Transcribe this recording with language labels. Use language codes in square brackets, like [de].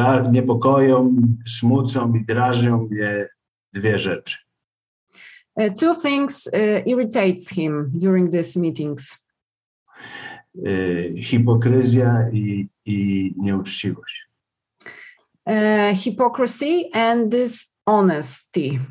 [pl] Niepokoją, smucą i drażnią mnie dwie rzeczy. [en] Two things irritates him during these meetings. [pl] Hipokryzja i nieuczciwość. [en] Hypocrisy and dishonesty.